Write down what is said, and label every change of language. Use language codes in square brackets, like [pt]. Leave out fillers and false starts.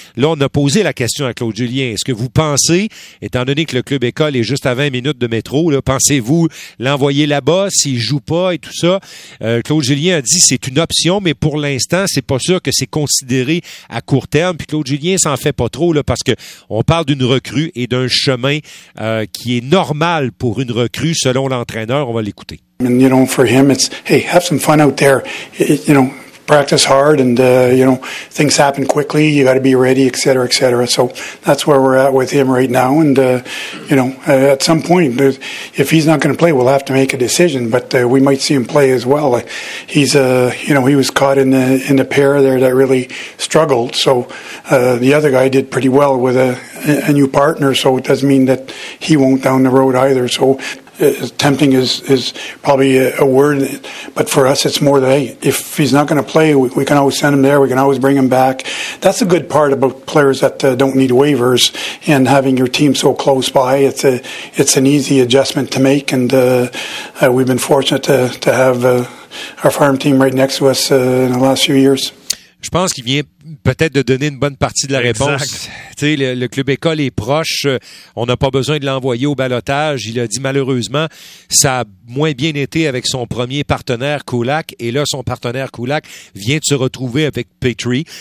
[fr] Là, on a posé la question à Claude Julien. Est-ce que vous pensez, étant donné que le club école est juste à 20 minutes de métro, là, pensez-vous l'envoyer là-bas s'il joue pas et tout ça? Claude Julien a dit c'est une option, mais pour l'instant, c'est pas sûr que c'est considéré à court terme. Puis Claude Julien s'en fait pas trop là parce que on parle d'une recrue et d'un chemin qui est normal pour une recrue selon l'entraîneur. On va l'écouter. [en] And, you know, for him, it's, hey, have some fun out there. You know, practice hard and, you know, things happen quickly. You got to be ready, et cetera, et cetera. So that's where we're at with him right now. And, you know, at some point, if he's not going to play, we'll have to make a decision. But we might see him play as well. He's, you know, he was caught in the pair there that really struggled. So the other guy did pretty well with a new partner. So it doesn't mean that he won't down the road either. So tempting is probably a word, but for us it's more that, hey, if he's not going to play, we can always send him there, we can always bring him back. That's a good part about players that don't need waivers and having your team so close by. It's an easy adjustment to make, and we've been fortunate to have our farm team right next to us in the last few years. [fr] Je pense qu'il vient peut-être de donner une bonne partie de la réponse. Tu sais, le club école est proche. On n'a pas besoin de l'envoyer au ballottage. Il a dit malheureusement, ça a moins bien été avec son premier partenaire Kulak. Et là, son partenaire Kulak vient de se retrouver avec Petrie.